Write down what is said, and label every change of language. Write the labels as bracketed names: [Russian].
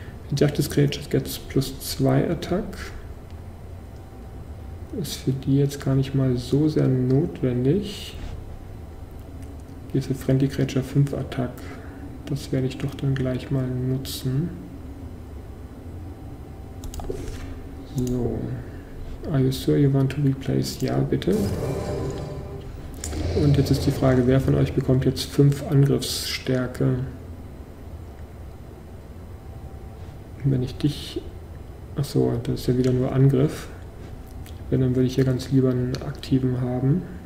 [English] Injected creature gets plus 2 attack. [German] Ist für die jetzt gar nicht mal so sehr notwendig. Diese Friendly Creature 5 Attack, das werde ich doch dann gleich mal nutzen. [English] So, are you sure you want to replace? [German] Ja, bitte. Und jetzt ist die Frage, wer von euch bekommt jetzt 5 Angriffsstärke? Wenn ich dich... Achso, das ist ja wieder nur Angriff. Wenn, dann würde ich hier ganz lieber einen aktiven haben.